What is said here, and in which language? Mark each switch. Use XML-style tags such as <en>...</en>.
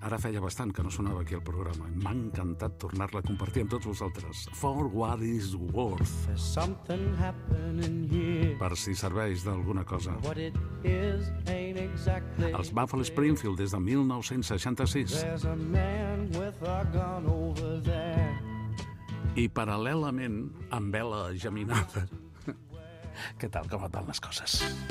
<ca>Ara feia bastant que no sonava aquí el programa i m'ha encantat tornar-la a compartir amb tots vosaltres.</ca> <en>For What Is Worth. There's something happening here.</en> <ca>Per si serveix d'alguna cosa.</ca> <en>What it is ain't exactly.</en> <ca>Els Buffalo Springfield des de 1966.</ca> <en>There's a man with a gun over there.</en> <ca>I paral·lelament amb vela geminada. Què tal, com et van les coses?</ca>